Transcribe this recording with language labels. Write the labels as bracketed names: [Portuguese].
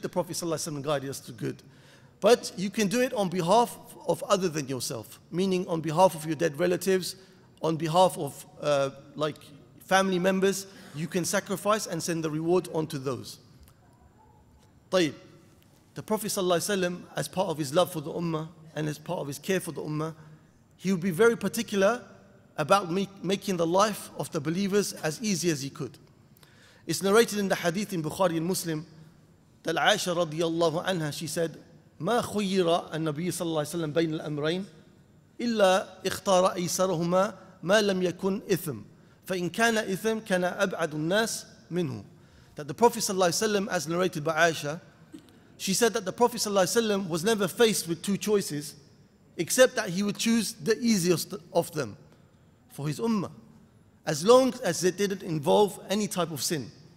[English] The Prophet ﷺ guided us to good. But you can do it on behalf of other than yourself, meaning on behalf of your dead relatives, on behalf of like family members, you can sacrifice and send the reward onto those. [Arabic] طيب. [English] The Prophet ﷺ, as part of his love for the ummah and as part of his care for the ummah, he would be very particular about making the life of the believers as easy as he could. It's narrated in the hadith in Bukhari and Muslim that Aisha radiallahu anha, she said, [Arabic] ما خير النبي صلى الله عليه وسلم بين الأمرين إلا اختار أيسرهما ما لم يكن إثم فإن كان إثم كان أبعد الناس منه. [English] That the Prophet [Arabic] صلى الله عليه وسلم, [English] as narrated by Aisha, she said that the Prophet صلى الله عليه وسلم was never faced with two choices except that he would choose the easiest of them for his ummah, as long as it didn't involve any type of sin.